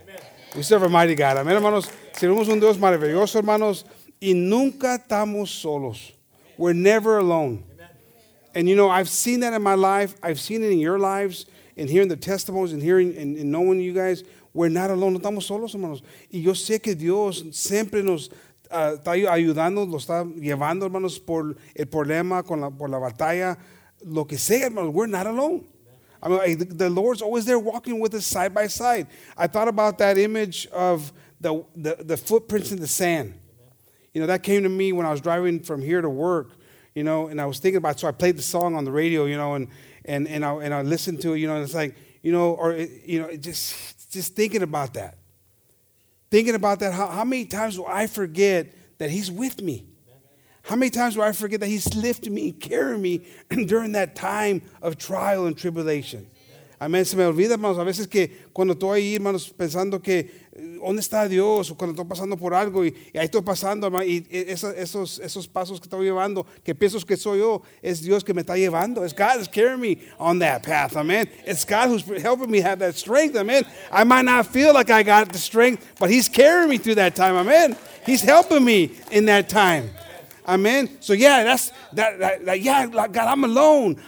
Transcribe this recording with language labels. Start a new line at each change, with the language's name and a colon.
English: Amen. We serve a mighty God. Amen, hermanos.
Spanish: Servimos un Dios maravilloso, hermanos. Y nunca estamos solos.
English: We're never alone. Amen. And you know, I've seen that in my life. I've seen it in your lives. and hearing the testimonies and hearing and knowing you guys, we're not alone.
Spanish: No estamos solos, hermanos. Y yo sé que Dios siempre nos está ayudando, lo está llevando, hermanos, por el problema, por la batalla, lo que sea, hermanos.
English: We're not alone. I mean, the Lord's always there walking with us side by side. I thought about that image of the footprints in the sand. You know, that came to me when I was driving from here to work, you know, and I was thinking about it. So I played the song on the radio, you know, and I listened to it, you know, and it's like, you know, or, you know, just thinking about that. Thinking about that, how many times do I forget that he's with me? How many times do I forget that he's lifting me and carrying me during that time of trial and tribulation? Amen.
Spanish: Se me olvida, hermanos, a veces que cuando estoy ahí, hermanos, pensando que, ¿dónde está Dios? O cuando estoy pasando por algo y ahí estoy pasando, hermano, y esos pasos que estoy llevando, que pienso que soy yo, es Dios que me está llevando.
English: It's God that's carrying me on that path, amen. It's God who's helping me have that strength, amen. I might not feel like I got the strength, but he's carrying me through that time, amen. He's helping me in that time. Amen. So yeah, that's that. Yeah, like God, I'm alone.